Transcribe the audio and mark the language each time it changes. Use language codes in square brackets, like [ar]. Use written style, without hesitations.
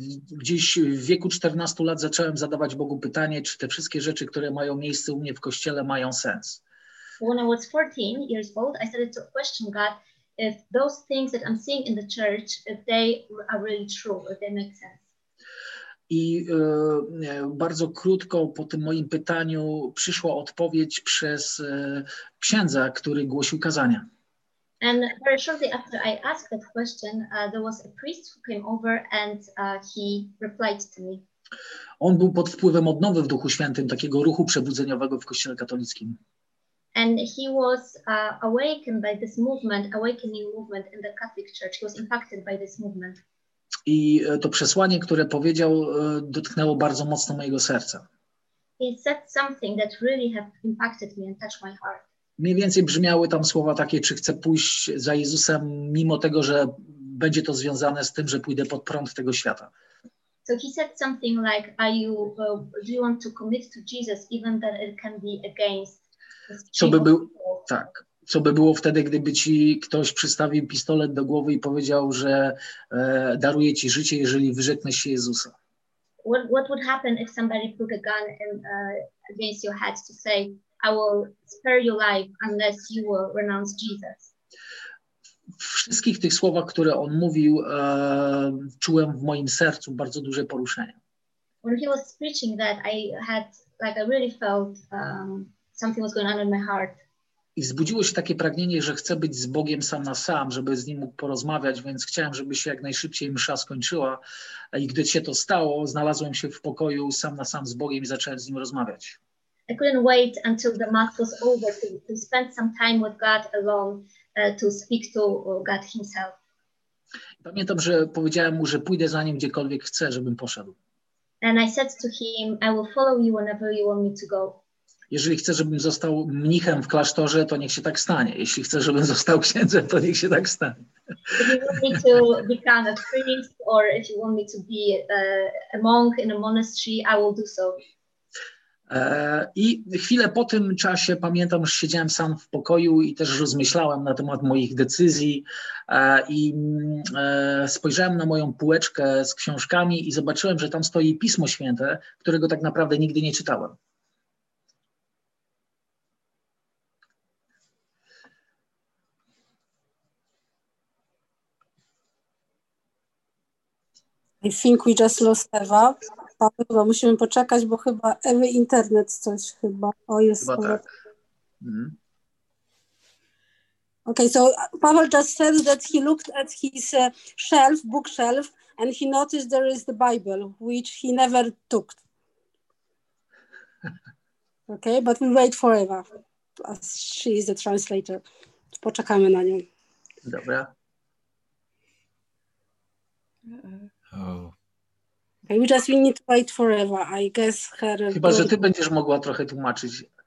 [pl] Gdzieś w wieku 14 lat zacząłem zadawać Bogu pytanie, czy te wszystkie rzeczy, które mają miejsce u mnie w kościele, mają sens. [en] when I was 14 years old, I started to question God if those things that I'm seeing in the church, if they are really true, if they make sense. [pl] I bardzo krótko po tym moim pytaniu przyszła odpowiedź przez księdza, który głosił kazania. [en] And very shortly after I asked that question, there was a priest who came over and he replied to me. [pl] On był pod wpływem odnowy w Duchu Świętym, takiego ruchu przebudzeniowego w Kościele katolickim. [en] And he was awakened by this movement, awakening movement in the Catholic Church. He was impacted by this movement. [pl] I to przesłanie, które powiedział, dotknęło bardzo mocno mojego serca. [en] He said something that really have impacted me and touched my heart. [pl] Mniej więcej brzmiały tam słowa takie, czy chcę pójść za Jezusem, mimo tego, że będzie to związane z tym, że pójdę pod prąd tego świata. [en] So he said something like, do you want to commit to Jesus, even that it can be against [pl] the Co by był, tak. Co by było wtedy, gdyby ci ktoś przystawił pistolet do głowy i powiedział, że daruje ci życie, jeżeli wyrzekniesz się Jezusa? [en] What would happen if somebody put a gun in, against your head to say, I will spare your life unless you will renounce Jesus? [pl] W wszystkich tych słowach, które on mówił, czułem w moim sercu bardzo duże poruszenie. [en] When he was preaching that, I had, like, I really felt something was going on in my heart. [pl] I wzbudziło się takie pragnienie, że chcę być z Bogiem sam na sam, żeby z Nim mógł porozmawiać, więc chciałem, żeby się jak najszybciej msza skończyła. I gdy się to stało, znalazłem się w pokoju sam na sam z Bogiem i zacząłem z Nim rozmawiać. [en] I couldn't wait until the mass was over to spend some time with God alone, to speak to God himself. [pl] Pamiętam, że powiedziałem mu, że pójdę za Nim gdziekolwiek chcę, żebym poszedł. [en] And I said to him, I will follow you whenever you want me to go. [pl] Jeżeli chcę, żebym został mnichem w klasztorze, to niech się tak stanie. Jeśli chcę, żebym został księdzem, to niech się tak stanie. [en] If you want me to become a priest, or if you want me to be a monk in a monastery, I will do so. [pl] I chwilę po tym czasie pamiętam, że siedziałem sam w pokoju i też rozmyślałem na temat moich decyzji i spojrzałem na moją półeczkę z książkami i zobaczyłem, że tam stoi Pismo Święte, którego tak naprawdę nigdy nie czytałem. [en] I think we just lost Ewa. [pl] Chyba musimy poczekać, bo chyba Ewy internet coś chyba. O, jest. Chyba tak. [en] Okay, so Paweł just said that he looked at his shelf, bookshelf, and he noticed there is the Bible, which he never took. Okay, but we wait for Ewa, as she is the translator. [pl] Poczekamy na nią. Dobra. [en] Oh. We just need to wait forever, I guess. Her [pl] chyba, że ty będziesz mogła trochę tłumaczyć.